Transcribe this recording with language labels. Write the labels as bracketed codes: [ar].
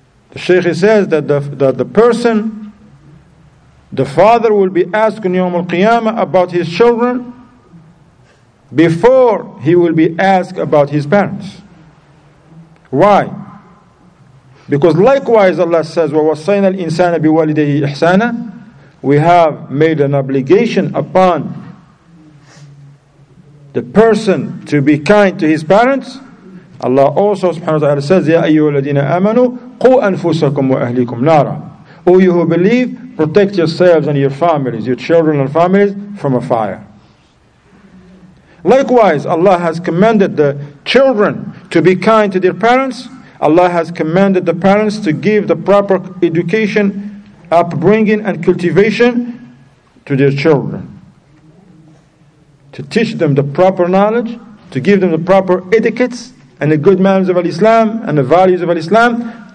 [en] The Shaykh, he says that the person, the father, will be asked on Yawm al-Qiyamah about his children before he will be asked about his parents. Why? Because likewise Allah says, [ar] وَوَصَّيْنَا الْإِنسَانَ بِوَالِدَيْهِ إِحْسَانًا. [en] We have made an obligation upon the person to be kind to his parents. Allah also subhanahu wa ta'ala says, [ar] يَا أَيُّهَا الَّذِينَ آمَنُوا قُوْ أَنفُسَكُمْ وَأَهْلِكُمْ نَارًا. [en] O you who believe, protect yourselves and your families, your children and families, from a fire. Likewise, Allah has commanded the children to be kind to their parents. Allah has commanded the parents to give the proper education, upbringing and cultivation to their children, to teach them the proper knowledge, to give them the proper etiquettes and the good manners of Al-Islam and the values of Al-Islam.